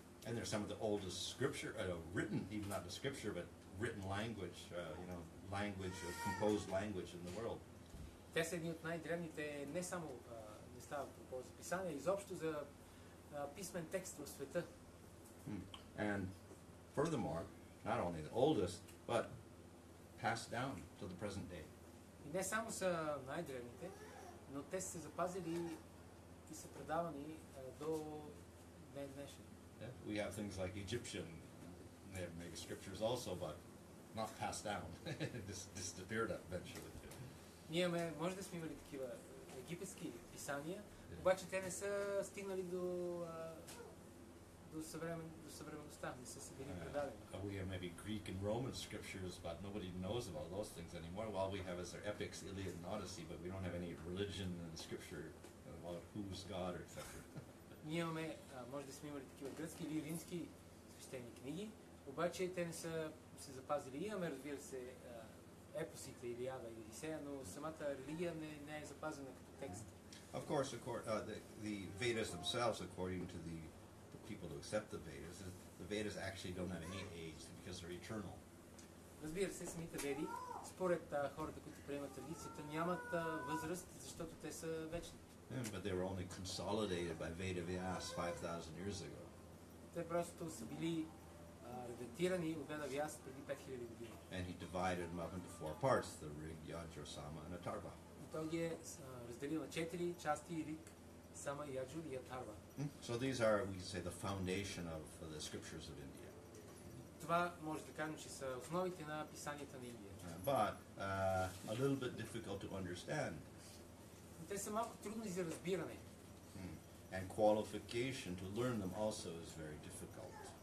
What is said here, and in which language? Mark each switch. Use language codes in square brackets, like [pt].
[en] And they're some of the oldest scripture written, even not the scripture, but written language, language, composed language in the world. [bg] Те са едни от най-древните, не само не става по писания, изобщо за писмен текст в света. [en] And furthermore, not only the oldest, but passed down to the present day. [bg] И не само са най-древните, но те са запазили и са предавани до днешен. [en] We have things like Egyptian, they have many scriptures also, but not passed down. This disappeared eventually. [bg] Ние може да сме имали такива египетски писания, обаче те не са стигнали до [en] We have maybe Greek and Roman scriptures, but nobody knows about those things anymore. All we have is our epics, Iliad and Odyssey, but we don't have any religion and scripture about who's God or etc. [bg] Имаме, може да сме имали такива гръцки или римски свещени книги, обаче те не са се запазили. Имаме, разбира се, епосите Илиада и Одисея, но самата религия не е запазена като текст. [en] Of course, the Vedas themselves, according to the people who accept the Vedas actually don't have any age because they're eternal. [bg] Разбира се, самите Веди, според хората, които приемат традицията, нямат възраст, защото те са вечни. [en] Yeah, but they were only consolidated by Veda Vyas 5,000 years ago. [bg] Те просто са били редактирани от Веда Вяс преди 5000 години. [en] And he divided them up into four parts, the Rig, Yajur, Sama, and Atharva. [bg] И той ги е разделил на четири части, Рик, Сама, Яджур и Атарва. [en] So these are, we can say, the foundation of the scriptures of India. [bg] Това може да кажем, че са основите на писанията на Индия. [en] But a little bit difficult to understand. [bg] Те са малко трудни за разбиране. [en] And qualification to learn them also is very difficult.